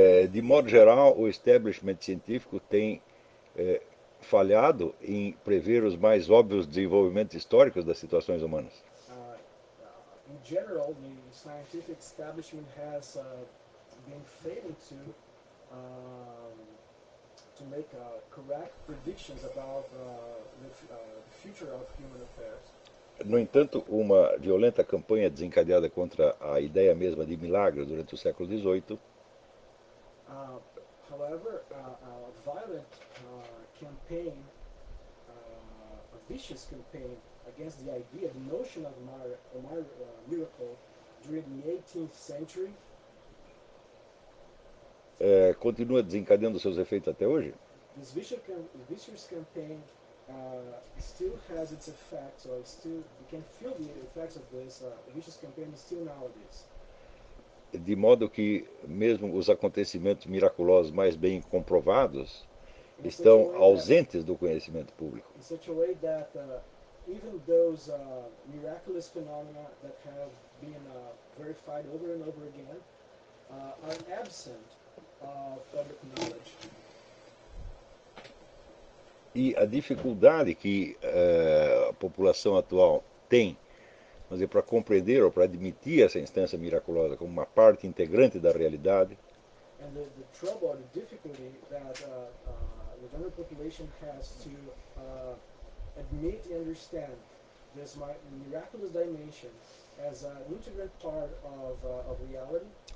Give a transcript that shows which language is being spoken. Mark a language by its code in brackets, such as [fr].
[pt] De modo geral, o establishment científico tem falhado em prever os mais óbvios desenvolvimentos históricos das situações humanas. [en] In general, the scientific establishment has been failing to make correct predictions about the future of human affairs. [pt] No entanto, uma violenta campanha desencadeada contra a ideia mesma de milagre durante o século XVIII. [en] A vicious campaign against the idea, the notion of miracle during the 18th century. [pt] Continua desencadeando seus efeitos até hoje? [en] This vicious campaign still has its effects, or still you can feel the effects of this vicious campaign still nowadays. [pt] De modo que mesmo os acontecimentos miraculosos mais bem comprovados estão ausentes do conhecimento público. [en] In such a way that even those miraculous phenomena that have been verified over and over again are absent of public knowledge. [pt] E a dificuldade que a população atual tem, vamos dizer, para compreender ou para admitir essa instância miraculosa como uma parte integrante da realidade. E a dificuldade, a dificuldade que a população tem de admitir e entender essa dimensão miraculosa como uma parte integrante da realidade